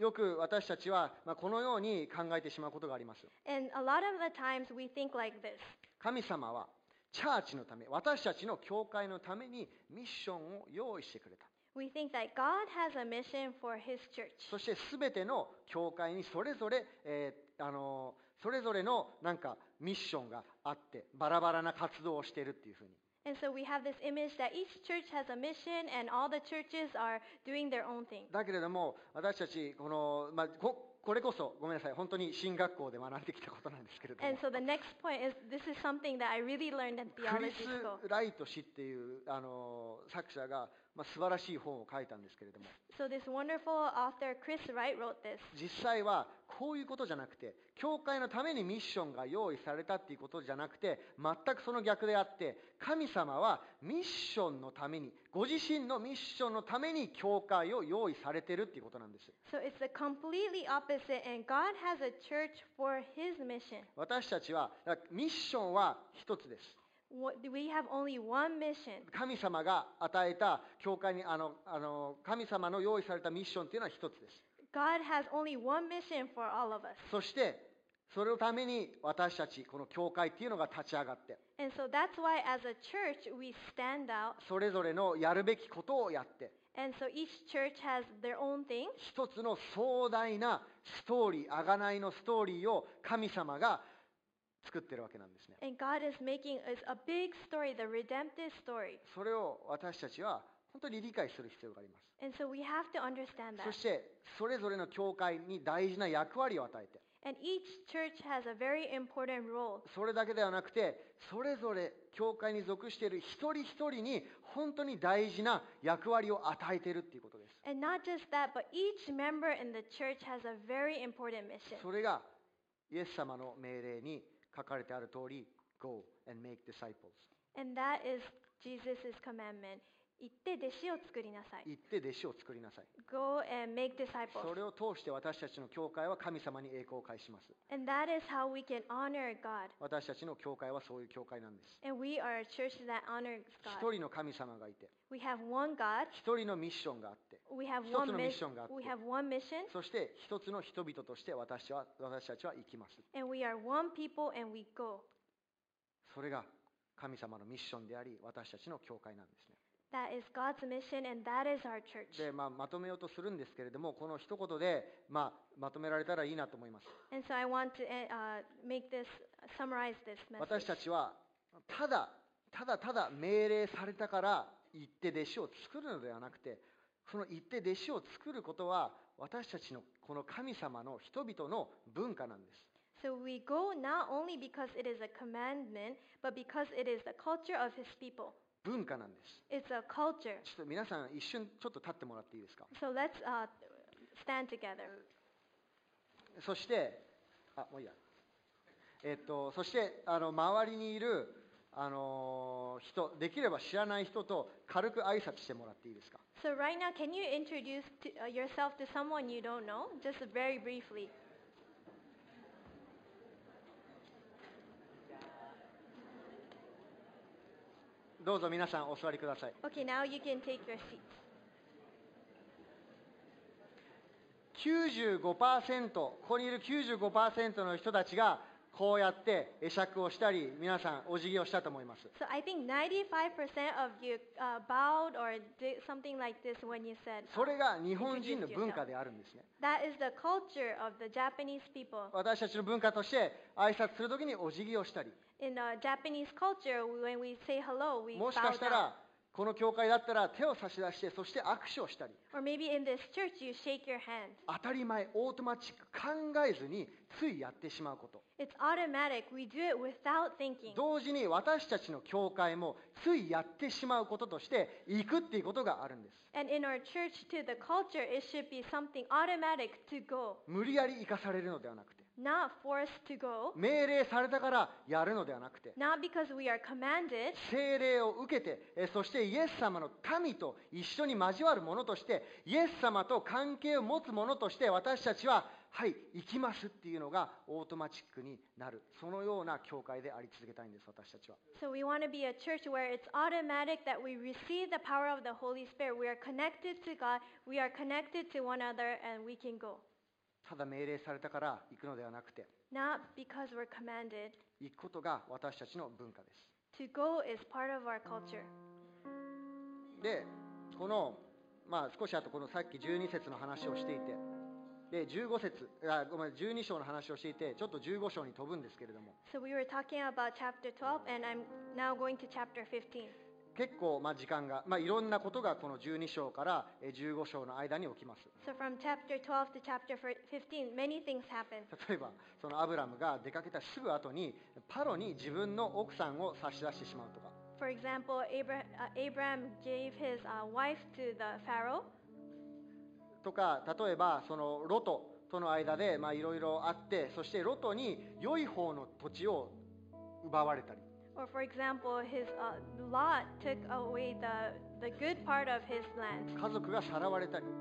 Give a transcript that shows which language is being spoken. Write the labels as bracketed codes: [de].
[ja] よく私たちはこのように考えてしまうことがあります。 [en] And a lot of the times we think like this. [ja] 神様はチャーチのため、私たちの教会のためにミッションを用意してくれた。 [en] We think that God has a mission for His church. [ja] そしてすべての教会にそれぞれ、それぞれのなんかミッションがあってバラバラな活動をしているっていうふうに。 [en] And so we have this image that each church has a mission and all the churches are doing their own thing. [ja] だけれども私たちこの、まあ、これこそごめんなさい本当に神学校で学んできたことなんですけれども。 [en] And so the next point is this is something that I really learned at theology school. [ja] クリス・ライト氏っていう作者がまあ、素晴らしい本を書いたんですけれども、 [en] so、this wonderful author Chris Wright wrote this. [ja] 実際はこういうことじゃなくて、教会のためにミッションが用意されたっていうことじゃなくて、全くその逆であって、神様はミッションのために、ご自身のミッションのために教会を用意されてるっていうことなんです。 [en] So it's the completely opposite, and God has a church for his mission. [ja] 私たちはミッションは一つです。 [en] We have only one mission. [ja] 神様が与えた教会に、神様の用意されたミッションというのは一つです。 [en] God has only one mission for all of us. [ja] そしてそれのために私たちこの教会というのが立ち上がって、 [en] And so that's why as a church we stand out. [ja] それぞれのやるべきことをやって、 [en] And so each church has their own thing. [ja] 一つの壮大なストーリー、贖いのストーリーを神様が作ってるわけなんですね。 [en] And God is making us a big story, the redemptive story. [ja] それを私たちは本当に理解する必要があります。 [en] And so we have to understand that. [ja] そしてそれぞれの教会に大事な役割を与えて、 [en] And each church has a very important role. [ja] それだけではなくて、それぞれ教会に属している一人一人に本当に大事な役割を与えているということです。 [en] And not just that, but each member in the church has a very important mission. [ja] それがイエス様の命令に書かれてある通り、 [en] Go and make disciples. And that is Jesus's commandment. [ja] 行って弟子を作りなさい。行って弟子を作りなさい。 [en] Go and make disciples. [ja] それを通して私たちの教会は神様に栄光を返します。 [en] And that is how we can honor God. [ja] 私たちの教会はそういう教会なんです。 [en] And we are a church that honors God. [ja] 一人の神様がいて、 [en] We have one God. [ja] 一人のミッションがあって、 [en] We have one mission. [ja] 一つのミッションがあって、 [en] We have one mission. [ja] そして一つの人々として私たちは行きます。 [en] And we are one people and we go. [ja] それが神様のミッションであり、私たちの教会なんですね。 [en] That is God's mission, and that is our church. [ja] で、まあ、まとめようとするんですけれども、この一言で、まあ、まとめられたらいいなと思います。 [en] And so I want to make this summarize this message. [ja] 私たちはただ命令されたから行って弟子を作るのではなくて、その行って弟子を作ることは私たちのこの神様の人々の文化なんです。 [en] So we go not only because it is a commandment, but because it is the culture of His people. [ja] 文化なんです。 [en] It's a culture. [ja] ちょっと皆さん一瞬ちょっと立ってもらっていいですか。 [en] So let's stand together. [ja] そして、あ、もういいや。そしてあの周りにいる人、できれば知らない人と軽く挨拶してもらっていいですか。 [en] So right now, can you introduce yourself to someone you don't know, just very briefly? [ja] どうぞ皆さんお座りください。 [en] Okay, now you can take your seat. [ja] 95%、ここにいる 95% の人たちがこうやって会釈をしたり、皆さんお辞儀をしたと思います。 [en] So I think 95% of you bowed or did something like this when you said. [ja] それが日本人の文化であるんですね。 [en] That is the culture of the Japanese people. [ja] 私たちの文化として挨拶するときにお辞儀をしたり。 [en] In a Japanese culture, when we say hello, we bow down. [ja] もしかしたらこの教会だったら手を差し出して、そして握手をしたり。 [en] Or maybe in this church, you shake your hand. [ja] 当たり前、オートマチック、考えずについやってしまうこと。 [en] It's automatic. We do it without thinking. [ja] 同時に私たちの教会もついやってしまうこととして行くっていうことがあるんです。 [en] And in our church, to the culture, it should be something automatic to go. [ja] 無理やり行かされるのではなくて。 [en] Not forced to go. [ja] 命令されたからやるのではなくて。 [en] Not because we are commanded. [ja] 聖霊を受けて、そしてイエス様の民と一緒に交わるものとして、イエス様と関係を持つものとして私たちは、はい、行きますっていうのがオートマチックになる、そのような教会であり続けたいんです。私たちは、 [en] So we want to be a church where it's automatic that we receive the power of the Holy Spirit. We are connected to God. We are connected to one another and we can go. [ja] ただ命令されたから行くのではなくて、 [en] Not because we're commanded. [ja] 行くことが私たちの文化です。 [en] To go is part of our culture. [ja] で、このまあ少しあとこのさっき12節の話をしていて、で12章の話をしていて、ちょっと15章に飛ぶんですけれども、 [en] So we were talking about chapter 12 and I'm now going to chapter 15. [ja] 結構、まあ、時間が、まあ、いろんなことがこの12章から15章の間に起きます。 [en] So from chapter 12 to chapter 15, many things happen. [ja] 例えばそのアブラムが出かけたすぐ後にパロに自分の奥さんを差し出してしまうとか。 [en] For example, Abraham gave his wife to the Pharaoh. [ja] とか例えばそのロトとの間でまあいろいろあって、そしてロトに良い方の土地を奪われたり。 [en] Or for example, his Lot took away the good part of his land. [ja] 家族がさらわれたり。